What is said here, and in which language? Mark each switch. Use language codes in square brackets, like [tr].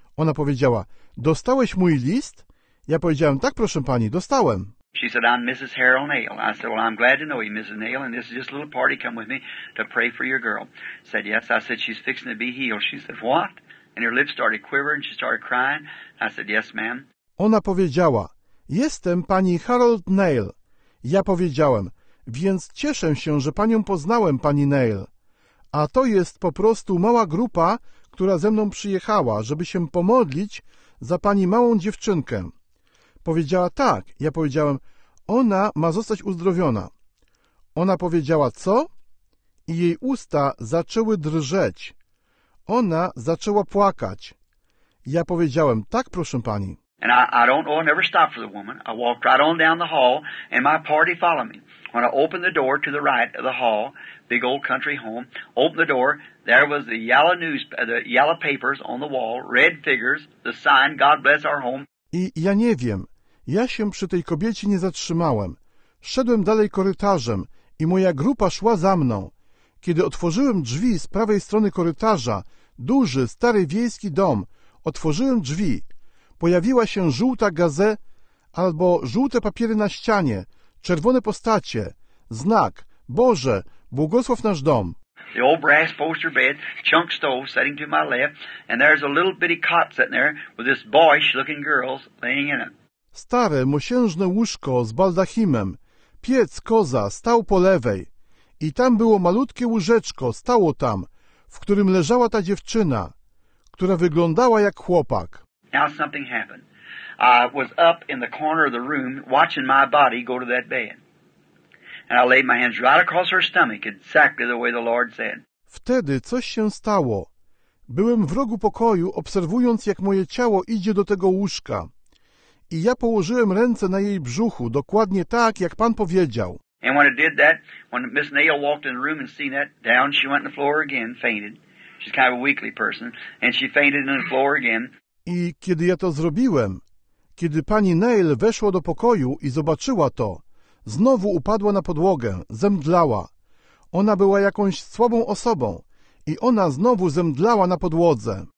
[pl] Ona powiedziała, dostałeś mój list? Ja powiedziałem, tak, proszę pani, dostałem. [en] She said, I'm Mrs. Harold Neal. I said, well, I'm glad to know you, Mrs. Neal, and this is just a little party. Come with me to pray for your girl. Said, yes. I said, she's fixing to be healed. She said, what? And her lips started quivering, she started crying. I said, yes, ma'am. [pl] Ona powiedziała, jestem pani Harold Neal. Ja powiedziałem, więc cieszę się, że panią poznałem, pani Neal. A to jest po prostu mała grupa, która ze mną przyjechała, żeby się pomodlić za pani małą dziewczynkę. Powiedziała tak. Ja powiedziałem, ona ma zostać uzdrowiona. Ona powiedziała, co? I jej usta zaczęły drżeć. Ona zaczęła płakać. Ja powiedziałem, tak, proszę pani. [en] And I never stopped for the woman. I walked right on down the hall, and my party followed me. When I opened the door to the right of the hall, big old country home, opened the door, there was the yellow papers on the wall, red figures, the sign, God bless our home. [pl] I ja nie wiem. Ja się przy tej kobiecie nie zatrzymałem. Szedłem dalej korytarzem i moja grupa szła za mną. Kiedy otworzyłem drzwi z prawej strony korytarza, duży, stary, wiejski dom, otworzyłem drzwi. Pojawiła się żółta gazeta albo żółte papiery na ścianie, czerwone postacie, znak, Boże, błogosław nasz dom. [en] The old brass poster bed, chunk stove sitting to my left, and there's a little bitty cot sitting there with this boyish looking girl laying in it. [pl] Stare, mosiężne łóżko z baldachimem, piec, koza, stał po lewej. I tam było malutkie łóżeczko, stało tam, w którym leżała ta dziewczyna, która wyglądała jak chłopak. [en] Now something happened. I was up in the corner of the room watching my body go to that bed. And I laid my hands right across her stomach, exactly the way the Lord said. [pl] Wtedy coś się stało. Byłem w rogu pokoju, obserwując, jak moje ciało idzie do tego łóżka. I ja położyłem ręce na jej brzuchu, dokładnie tak, jak Pan powiedział. [en] And when I did that, when Miss Neal walked in the room and seen that, down she went on the floor again, fainted. She's kind of a weakly person. And she fainted on the floor again. [pl] I kiedy ja to zrobiłem, kiedy pani Neal weszła do pokoju i zobaczyła to, znowu upadła na podłogę, zemdlała. Ona była jakąś słabą osobą i ona znowu zemdlała na podłodze.